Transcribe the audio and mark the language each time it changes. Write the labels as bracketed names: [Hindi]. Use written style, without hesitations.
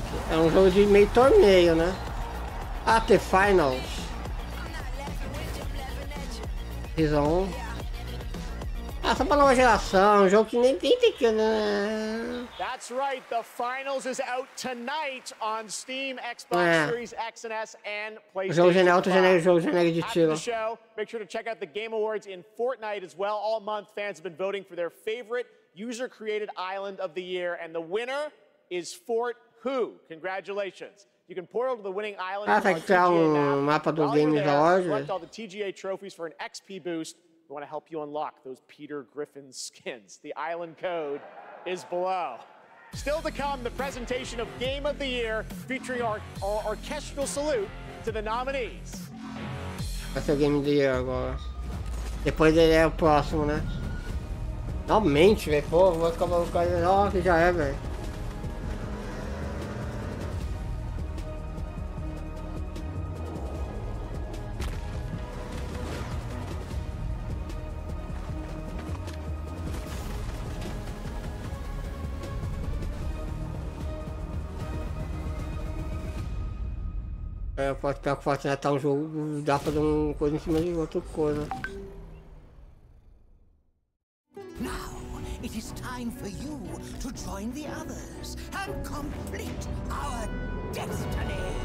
[Portuguese] É um jogo de meio torneio, né? Ah, The Finals. [English] Season 1. [Portuguese] Ah, só pra nova geração, um jogo que nem tem aqui, né? [English] That's right, the finals is out tonight on Steam, Xbox Series X and S, and PlayStation [Portuguese] 5. Jogo genérico de tiro. [English] After the show, make sure to check out the Game Awards in Fortnite as well. All month, fans have been voting for their favorite user-created island of the year, and the winner is Fort Who. Congratulations. You can portal to the winning island. [Portuguese] Ah, tá aqui que é um mapa do Game Awards. [English] While you're there, collect all the TGA trophies for an XP boost. We want to help you unlock those Peter Griffin skins. The island code is below. Still to come, the presentation of Game of the Year featuring our orchestral salute to the nominees. [Portuguese] Vai ser o Game of the Year agora. Depois ele é o próximo, né? Finalmente, velho. Pô, vou ficar maluco. Ó, que já é, velho. Pode ficar com o Fortnite, tá um jogo, dá pra fazer uma coisa em cima de outra coisa. [English] Now it is time for you to join the others and complete our destiny.